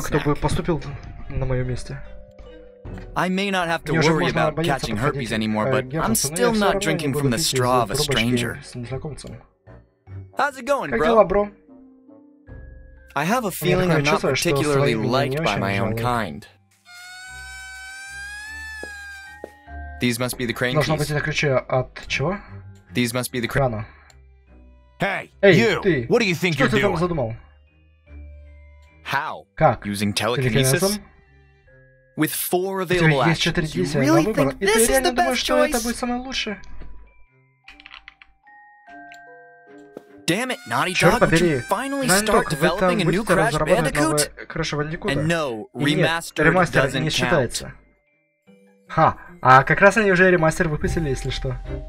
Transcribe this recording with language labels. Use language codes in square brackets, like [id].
[ru] любого, кто бы поступил на моё место. [en] I may not have to worry about catching herpes anymore, but I'm still not drinking from the straw of a stranger. How's it going, bro? [ru] Как дела, бро? [en] I have a feeling I'm not particularly liked by my own kind. These must be the crane keys. [ru] Должно быть, это ключи от чего? [en] These must be the crane. Hey, hey, you. [ru] Ты. [en] What do you think [ru] что [en] you're doing? [ru] Задумал? [en] How? [ru] Как? [en] Using telekinesis? With four available actions. You really think this is the best choice? [ru] Это будет самое лучшее. [en] Damn it, Naughty Dog, would you finally start developing a new Crash Bandicoot? Crash Bandicoot. And no, remastered doesn't count. [ru] Ха, а как раз они уже ремастер выпустили, если что.